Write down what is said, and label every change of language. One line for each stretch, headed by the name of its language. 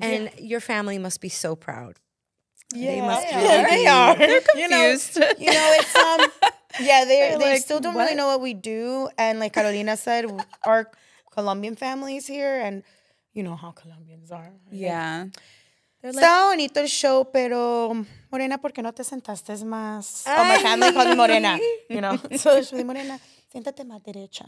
English: And your family must be so proud. Yeah. They must be. Yeah, they are. They're confused. You know, it's they still don't really know what we do. And like Carolina said, our Colombian family is here, and you know how Colombians are. Right? Yeah.
Spanish: Está bonito el show, pero Morena, ¿por qué no te sentaste más?
English: Oh, my family called me Morena. You know, so like, Morena,
Spanish: siéntate más derecha.